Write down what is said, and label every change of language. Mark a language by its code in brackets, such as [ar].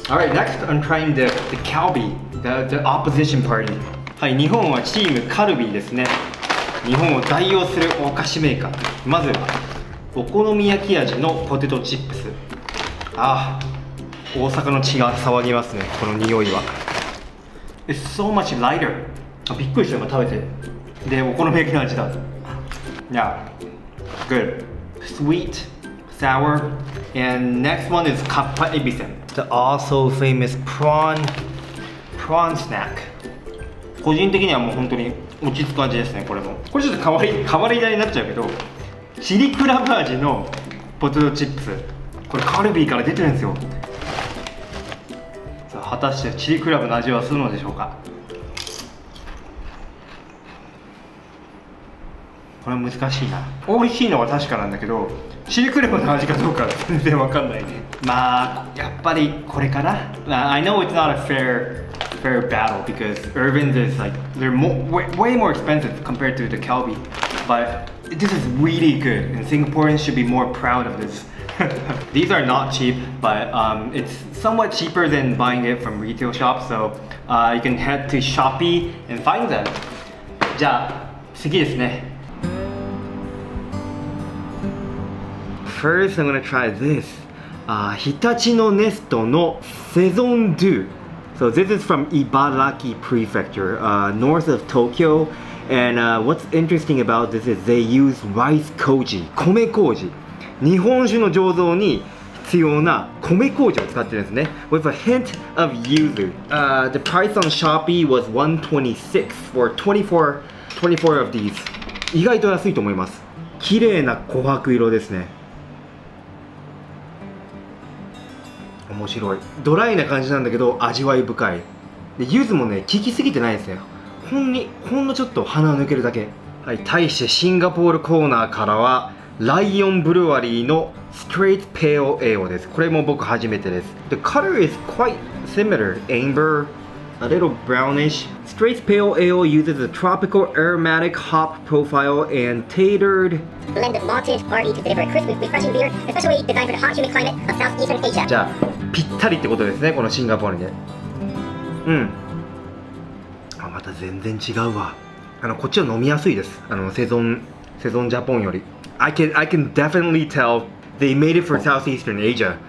[en] All right, next I'm trying the Calbi, the opposition party. [ja] はい、日本はチームカルビーですね。日本を代表するお菓子メーカー。まずお好み焼き味のポテトチップス。ああ、大阪の血が騒ぎますね。この匂いは。 [en] It's so much lighter. [ja] あ、びっくりした今食べて。で、お好み焼きの味だ。 [en] Yeah, good. Sweet. Sour, and next one is kappa ebisen, the also famous prawn snack. [ja] 個人的にはもう本当に落ち着く味ですね。これもこれちょっと変わり種になっちゃうけど、チリクラブ味のポテトチップス。これカルビーから出てるんですよ。さあ果たしてチリクラブの味はするのでしょうか。これ難しいな。美味しいのは確かなんだけど、チリクラブの味かどうか全然わかんないね。まあやっぱりこれかな。 [en] I know it's not a fair battle because Irvins is like they're way more expensive compared to the Calbi, but this is really good and Singaporeans should be more proud of this. These are not cheap, but it's somewhat cheaper than buying it from retail shops. So you can head to Shopee and find them. [ja] じゃあ次ですね。 [en] First, I'm gonna try this. Hitachi no Nesto no Saison Du. So this is from Ibaraki Prefecture, north of Tokyo. And what's interesting about this is they use rice koji, 米麹。 [ja] 日本酒の醸造に必要な米麹を使ってるんですね。 [en] With a hint of yuzu. The price on Shopee was 126 for 24 of these. [ja] 意外と安いと思います。綺麗な琥珀色ですね。面白い。ドライな感じなんだけど味わい深いで、柚子もね効きすぎてないですね。ほんのちょっと鼻を抜けるだけ。はい、対してシンガポールコーナーからはライオンブルワリーのストレートペオエオです。これも僕初めてです。 [en] The color is quite similar, amber, a little brownish. Straight pale ale uses a tropical aromatic hop profile and tatered blend of malted barley to deliver a crisp and refreshing beer, especially designed for the hot humid climate of Southeastern Asia. [ja] じゃあぴったりってことですね、このシンガポールで。うん、あ、また全然違うわ。あのこっちは飲みやすいです。あのセゾンジャポンより。 [en] I can definitely tell they made it for Southeastern Asia.